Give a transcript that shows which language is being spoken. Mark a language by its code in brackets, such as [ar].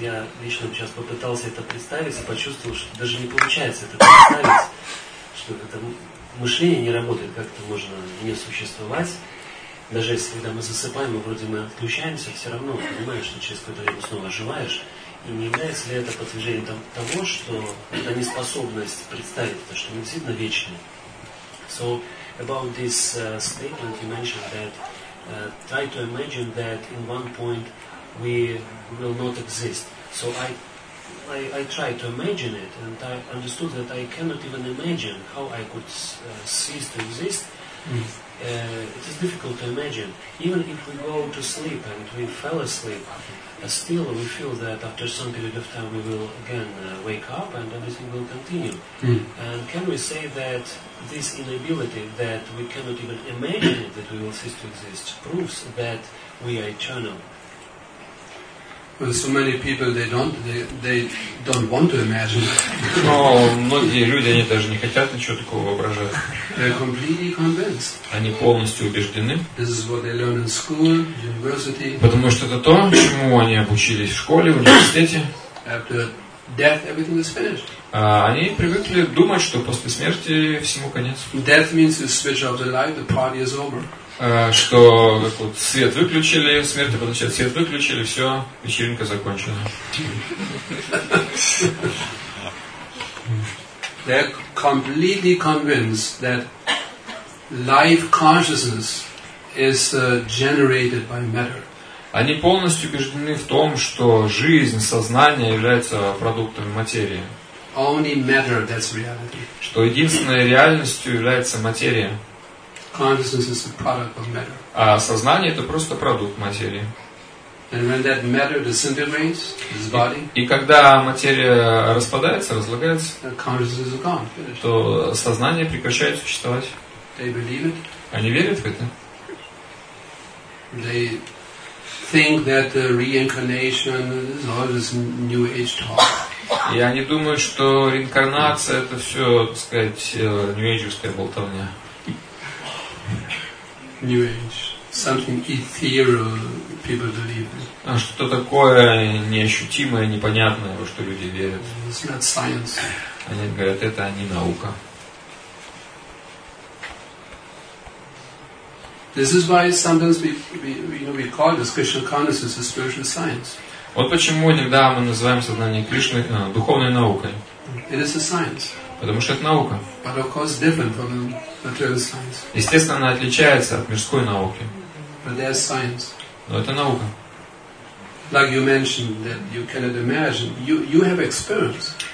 [ru] Я лично сейчас попытался это представить и почувствовал, что даже не получается это представить, что это мышление не работает, как-то можно не существовать. Даже если когда мы засыпаем, мы вроде мы отключаемся, все равно понимаешь, что через какое-то время снова оживаешь. И не является ли это подтверждением того, что это неспособность представить то, что мы действительно вечны? [en] So about this statement you mentioned that try to imagine that in one point we will not exist. So I tried to imagine it and I understood that I cannot even imagine how I could cease to exist. It is difficult to imagine. Even if we go to sleep and we fell asleep, still we feel that after some period of time we will again wake up and everything will continue. And can we say that this inability that we cannot even imagine that we will cease to exist proves that we are eternal? When so many people they don't want to imagine. [ru] Но многие люди они даже не хотят ничего такого воображать. [en] They're completely convinced. [ru] Они полностью убеждены. [en] This is what they learn in school, university. [ru] Потому что это то, чему они обучились в школе, в университете. [en] After death, everything is finished. [ru] Они привыкли думать, что после смерти всему конец. [en] Death means you switch off the light, the party is over. [ru] Что как вот, свет выключили, смерть обозначает свет выключили, все, вечеринка закончена. [en] They're completely convinced that life consciousness is generated by matter. [ru] Они полностью убеждены в том, что жизнь, сознание является продуктом материи. [en] Only matter, that's reality. [ru] Что единственной реальностью является материя. [en] Consciousness is a product of matter. [ru] А сознание это просто продукт материи. [en] And when that matter disintegrates, this body. [ru] И когда материя распадается, разлагается, [en] consciousness is gone, finished. [ru] То сознание прекращает существовать. [en] They believe it. [ru] Они верят в это. [en] They think that the reincarnation is all this new age talk. [ru] И они думают, что реинкарнация это все, так сказать, нью-эйджерская болтовня. [en] New age, something ethereal people believe in. [ru] А что-то такое неощутимое, непонятное, во что люди верят. [en] It's not science. [ru] Они говорят, это не наука. [en] This is why sometimes we call this Krishna consciousness a spiritual science. [ru] Вот почему иногда мы называем сознание Кришны духовной наукой. [en] It is a science. [ru] Потому что это наука. [en] But of course different from material science. [ru] Естественно, она отличается от мирской науки. [en] But there's science. [ru] Но это наука. [en] Like you mentioned that you cannot imagine. You have experience.